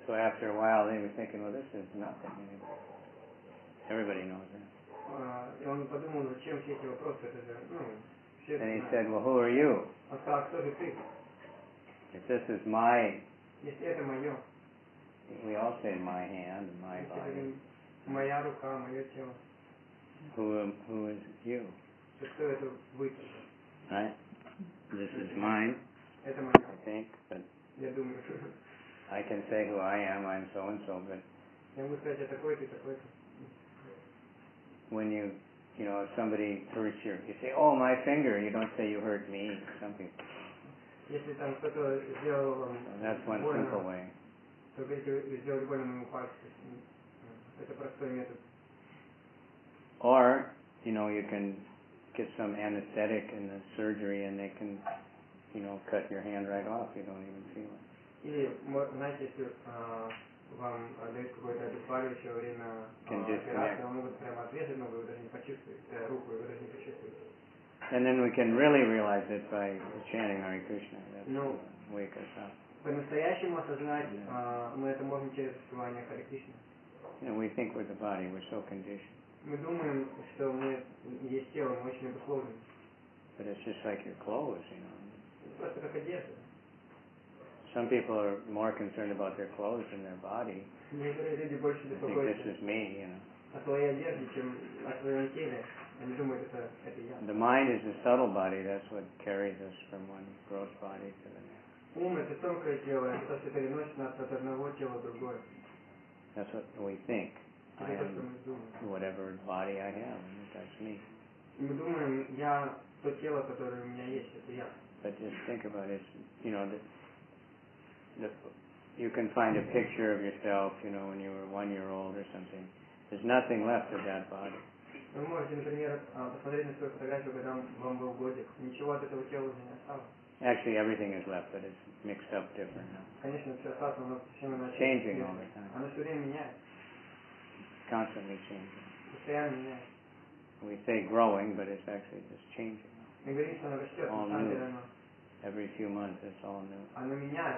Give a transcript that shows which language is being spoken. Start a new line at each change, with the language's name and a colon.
English: So after a while they were thinking, well, this is nothing. Everybody knows that.
Russian: И он подумал, зачем все эти вопросы? Это же, все.
English: And he said, well, who are you?
Russian: Он сказал, кто же ты?
English: If this is my.
Russian: Если это мое.
English: We all say my hand, my body.
Russian: Моя рука, мое тело.
English: Who is you?
Russian: Кто это вы?
English: Right. This is mine.
Russian: Это моё.
English: I think, but.
Russian: Я думаю.
English: I can say who I am. I'm so and so, but.
Russian: Я могу сказать, я такой, ты такой.
English: When you know, if somebody hurts you say, oh, my finger. You don't say you hurt me. Something.
Russian: Если там кто-то сделал вам.
English: That's one simple way.
Russian: То есть сделали больно моему пальцу. Это простой метод.
English: Or, you know, you can get some anesthetic in the surgery and they can, you know, cut your hand right off. You don't even feel it.
Russian: Или, знаете, если вам дают какое-то обезболивающее во время операции, вам могут прямо отрезать ногу, вы даже не почувствуете, руку, вы даже не почувствуете.
English: And then we can really realize it by chanting Hare Krishna. That's no. Wake us up.
Russian: По-настоящему осознать мы это можем через звание Hare Krishna.
English: And we think we're the body, we're so conditioned.
Russian: Мы думаем, что мы есть тело, мы очень обусловлены.
English: But it's just like your clothes, you know.
Russian: Просто как одежда.
English: Some people are more concerned about their clothes than their body.
Russian: Некоторые люди больше беспокоятся.
English: Think this is me, you know.
Russian: О своей одежде, чем о своем теле. Они думают, это я.
English: The mind is the subtle body, that's what carries us from one gross body to the next.
Russian: Ум — это тонкое тело, это то, что переносит нас от одного тела в другое.
English: That's what we think. I am whatever body I have, that's me.
Russian: Мы думаем, я то тело, которое у меня есть, это я.
English: But just think about it, you know, you can find a picture of yourself, you know, when you were 1 year old or something. There's nothing left of that body.
Russian: Вы можете, например, посмотреть на свою фотографию, когда вам был годик. Ничего от этого тела уже не осталось.
English: Actually, everything is left, but it's mixed up different now. Changing all the time. It's constantly changing. We say growing, but it's actually just changing. All new. Every few months, it's all new.